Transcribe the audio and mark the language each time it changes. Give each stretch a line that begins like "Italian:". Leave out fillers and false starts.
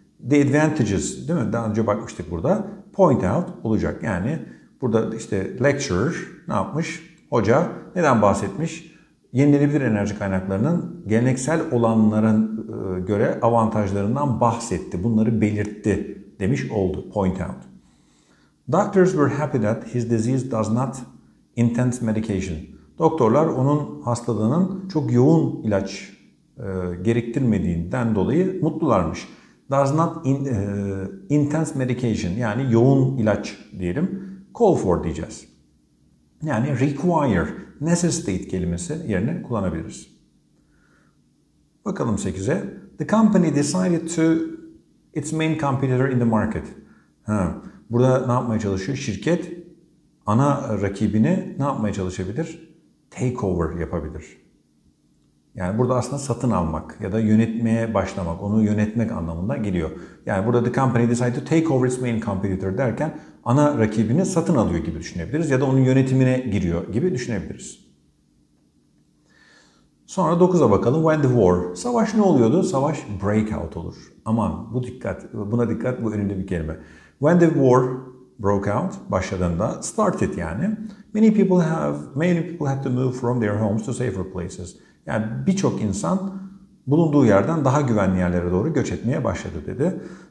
English: The advantages,
Turkish: değil mi? Daha önce bakmıştık burada. Point out olacak. Yani burada işte lecturer ne yapmış? Hoca neden bahsetmiş? Yenilenebilir enerji kaynaklarının geleneksel olanların göre avantajlarından bahsetti. Bunları belirtti demiş oldu. Point out.
English: Doctors were happy that his disease does not intense medication.
Turkish: Doktorlar onun hastalığının çok yoğun ilaç gerektirmediğinden dolayı mutlularmış.
English: Does not intense medication
Turkish: yani yoğun ilaç diyelim. Call for diyeceğiz. Yani require, necessitate kelimesi yerine kullanabiliriz. Bakalım 8'e.
English: The company decided to its main competitor in the market.
Turkish: Ha, burada ne yapmaya çalışıyor? Şirket ana rakibini ne yapmaya çalışabilir? Takeover yapabilir. Yani burada aslında satın almak ya da yönetmeye başlamak, onu yönetmek anlamında geliyor. Yani burada
English: the company decided to take over its main competitor
Turkish: derken ana rakibini satın alıyor gibi düşünebiliriz ya da onun yönetimine giriyor gibi düşünebiliriz. Sonra 9'a bakalım.
English: When the war,
Turkish: savaş ne oluyordu? Savaş breakout olur. Aman bu dikkat, buna dikkat, bu önemli bir kelime.
English: When the war broke out,
Turkish: başladığında,
English: started yani. Many people had to move from their homes to safer places.
Turkish: Yani birçok insan bulunduğu yerden daha güvenli yerlere doğru göç etmeye başladı dedi.